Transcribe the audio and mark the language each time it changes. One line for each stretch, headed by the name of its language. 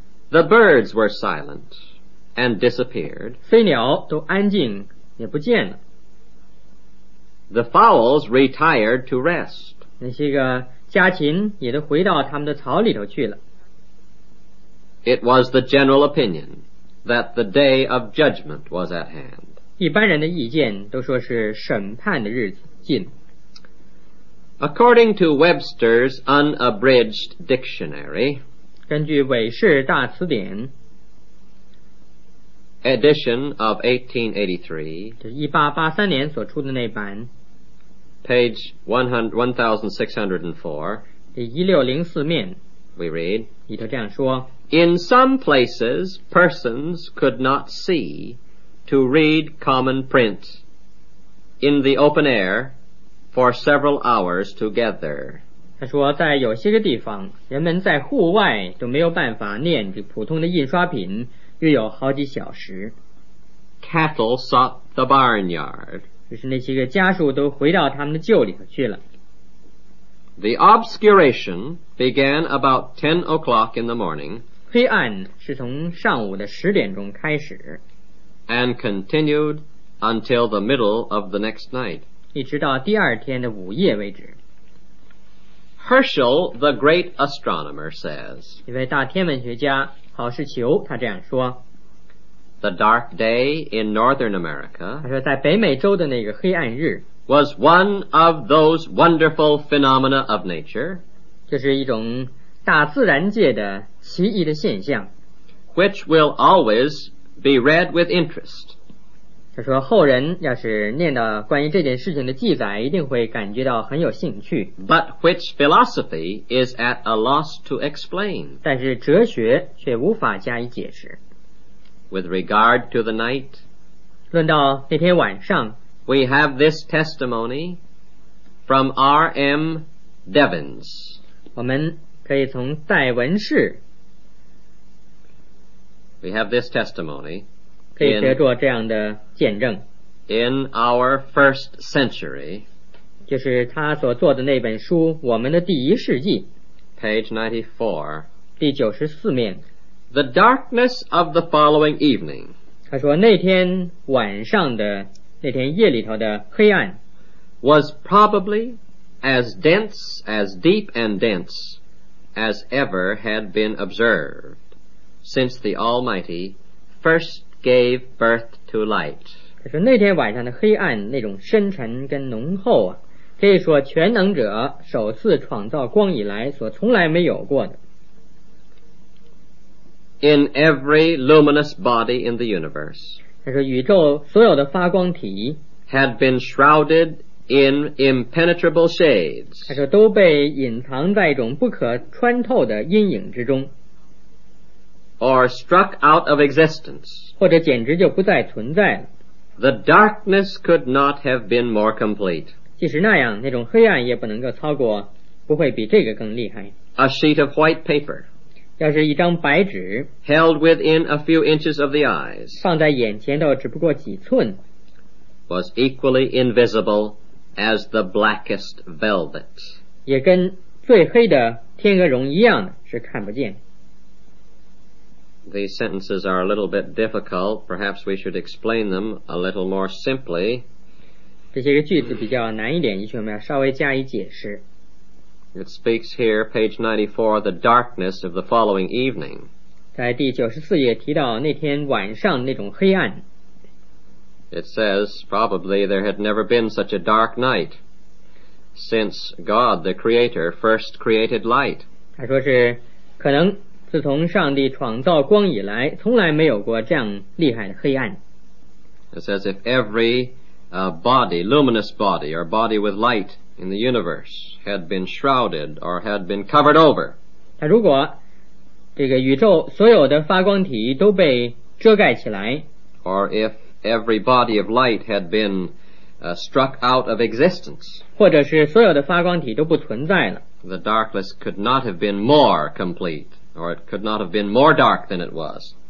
English: The birds were silent and disappeared.
Chinese: 飞鸟都安静也不见了。
English: The fowls retired to rest.
Chinese: 那些个家禽也都回到他们的巢里头去了。
English: It was the general opinion. That the day of judgment was at hand.
Chinese: 一般人的意见都说是审判的日子近。
English: According to Webster's Unabridged Dictionary,
Chinese: 根据韦氏大词典
English: edition of 1883,
Chinese: 就是1883年所出的那版
English: page 1604,
Chinese: 第1604面
English: we read,
Chinese: 里头这样说
English: In some places, persons could not see to read common print in the open air for several hours together.
Chinese: 他说在有些个地方人们在户外都没有办法念这普通的印刷品约有好几小时。
English: Cattle sought the barnyard.
Chinese: 就是那些个家畜都回到他们的厩里头去了。
English: The obscuration began about 10 o'clock in the morning.
Chinese: 黑暗是从上午的十点钟开始
English: and continued until the middle of the next night
Chinese: 一直到第二天的午夜为止
English: Herschel the great astronomer says
Chinese: 一位大天文学家郝世球他这样说
English: The dark day in northern America
Chinese: 他说在北美洲的那个黑暗日
English: was one of those wonderful phenomena of nature
Chinese: 就是一种大自然界的奇异的现象
English: which will always be read with interest
Chinese: 他说后人要是念到关于这件事情的记载一定会感觉到很有兴趣
English: but which philosophy is at a loss to explain
Chinese: 但是哲学却无法加以解释
English: with regard to the night
Chinese: 论到那天晚上
English: we have this testimony from R.M. Devins
Chinese: 我们可以从戴文士
English: We have this testimony
Chinese: 可以写作这样的见证
English: In our first century
Chinese: 就是他所做的那本书我们的第一世纪
English: Page 94
Chinese: 第94面
English: The darkness of the following evening
Chinese: 他说那天晚上的那天夜里头的黑暗
English: Was probably as dense as deep and denseas ever had been observed since the Almighty first gave birth to light
Chinese: 可是那天晚上的黑暗那种深沉跟浓厚啊，可以说全能者首次创造光以来所从来没有过的
English: in every luminous body in the universe
Chinese: 可是宇宙所有的发光体
English: had been shroudedIn impenetrable shades
Chinese: 他说都被隐藏在一种不可穿透的阴影之中
English: Or struck out of existence
Chinese: 或者简直就不再存在了
English: The darkness could not have been more complete
Chinese: 即使那样那种黑暗也不能够超过不会比这个更厉害
English: A sheet of white paper
Chinese: 要是一张白纸
English: Held within a few inches of the eyes
Chinese: 放在眼前都只不过几寸
English: was equally invisible as the blackest velvet
Chinese: 也跟最黑的天鹅绒一样是看不见
English: These sentences are a little bit difficult perhaps we should explain them a little more simply
Chinese: 这些个句子比较难一点也许我们要稍微加以解释
English: It speaks here page 94 the darkness of the following evening
Chinese: 在第94页提到那天晚上那种黑暗
English: It says probably there had never been such a dark night since God the Creator first created light.
Chinese: 他说是可能自从上帝创造光以来从来没有过这样厉害的黑暗。
English: It says if every body, luminous body or body with light in the universe had been shrouded or had been covered over.
Chinese: 他如果这个宇宙所有的发光体都被遮盖起来
English: or if every body of light had been struck out of existence,
Chinese: 或者是所有的发光体都不存在了
English: the darkness could not have been more complete or it could not have been more dark than it was.